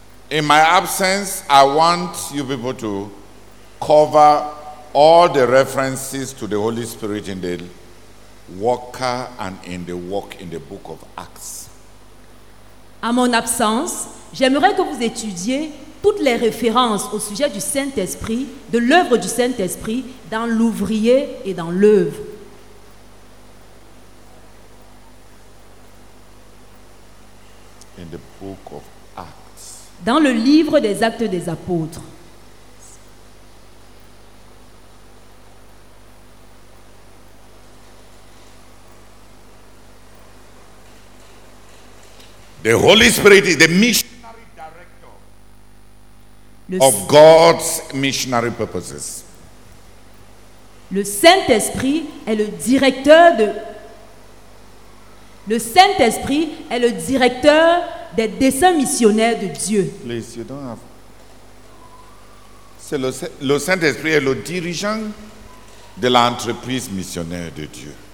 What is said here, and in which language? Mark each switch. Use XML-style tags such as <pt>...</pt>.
<en>In my absence, I want you people to cover all the references to the Holy Spirit in the worker and in the work in the book of Acts.</en> <fr>À mon absence, j'aimerais que vous étudiez toutes les références au sujet du Saint-Esprit, de l'œuvre du Saint-Esprit dans l'ouvrier et dans l'œuvre.</fr> <en>In the book of</en> <fr>dans le livre des Actes des Apôtres.</fr> <en>The Holy Spirit is the missionary director of God's missionary purposes.</en> <fr>Le Saint-Esprit est le directeur de des desseins missionnaires de Dieu.</fr> <en>Please, you don't have...</en> <fr>C'est le Saint-Esprit est le dirigeant de l'entreprise missionnaire de Dieu.</fr>